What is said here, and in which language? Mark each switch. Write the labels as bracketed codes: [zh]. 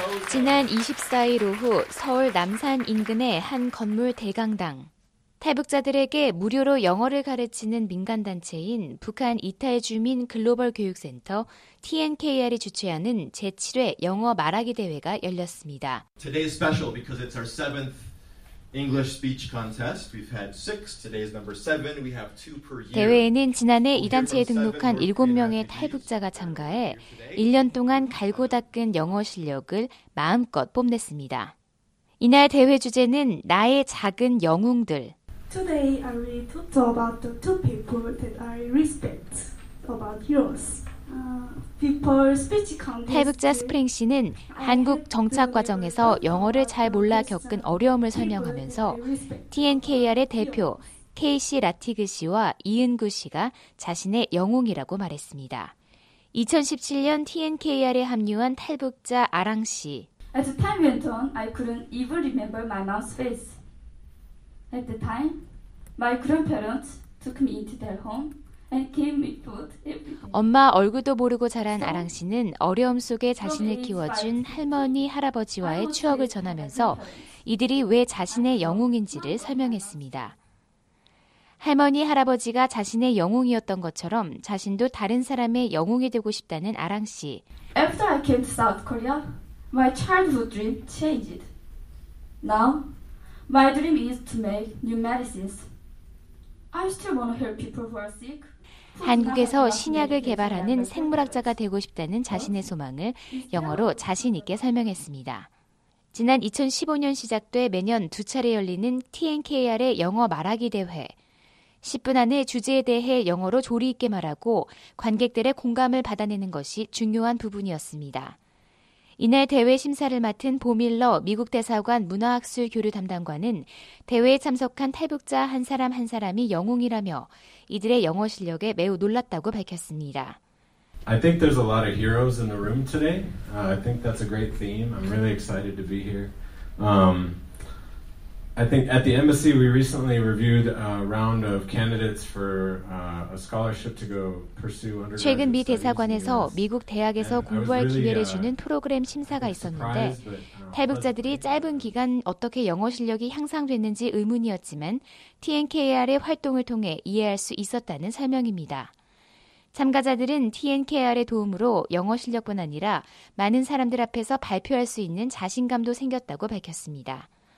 [ko] 지난 24일 오후 서울 남산 인근의 한 건물 대강당. 탈북자들에게 무료로 영어를 가르치는 민간단체인 북한 이탈주민 글로벌 교육센터 TNKR이 주최하는 제7회 영어 말하기 대회가 열렸습니다. [en] Today's special because it's our 7th English speech contest. We've had 6. Today is number 7. We have 2 per year. [ko] 대회에는 지난해 이 단체에 등록한 7명의 탈북자가 참가해 1년 동안 갈고 닦은 영어 실력을 마음껏 뽐냈습니다. 이날 대회 주제는 나의 작은 영웅들. [en] Today I will talk about the two people that I respect about heroes. [ko] 탈북자 스프링 씨는 한국 정착 과정에서 영어를 잘 몰라 겪은 어려움을 설명하면서 TNKR의 대표 KC 라티그 씨와 이은구 씨가 자신의 영웅이라고 말했습니다. 2017년 TNKR에 합류한 탈북자 아랑 씨. [en] At the time went on, I couldn't even remember my mom's face. At the time, my grandparents took me into their home. [ko] 엄마 얼굴도 모르고 자란 아랑 씨는 어려움 속에 자신을 키워준 할머니, 할아버지와의 추억을 전하면서 이들이 왜 자신의 영웅인지를 설명했습니다. 할머니, 할아버지가 자신의 영웅이었던 것처럼 자신도 다른 사람의 영웅이 되고 싶다는 아랑 씨. [en] After I came to South Korea, my childhood dream changed. Now, my dream is to make new medicines. I still want to help people who are sick. [ko] 한국에서 신약을 개발하는 생물학자가 되고 싶다는 자신의 소망을 영어로 자신 있게 설명했습니다. 지난 2015년 시작돼 매년 두 차례 열리는 TNKR의 영어 말하기 대회. 10분 안에 주제에 대해 영어로 조리 있게 말하고 관객들의 공감을 받아내는 것이 중요한 부분이었습니다. 이날 대회 심사를 맡은 보밀러 미국 대사관 문화학술 교류 담당관은 대회에 참석한 탈북자 한 사람 한 사람이 영웅이라며 이들의 영어 실력에 매우 놀랐다고 밝혔습니다. [en] I think there's a lot of heroes in the room today. I think that's a great theme. I'm really excited to be here. I think at the embassy, we recently reviewed a round of candidates for a scholarship to go pursue undergraduate. [ko] 최근 미 대사관에서 미국 대학에서 공부할 기회를 주는 프로그램 심사가 있었는데, 탈북자들이 짧은 기간 어떻게 영어 실력이 향상됐는지 의문이었지만, TNKR의 활동을 통해 이해할 수 있었다는 설명입니다. 참가자들은 TNKR의 도움으로 영어 실력뿐 아니라 많은 사람들 앞에서 발표할 수 있는 자신감도 생겼다고 밝혔습니다.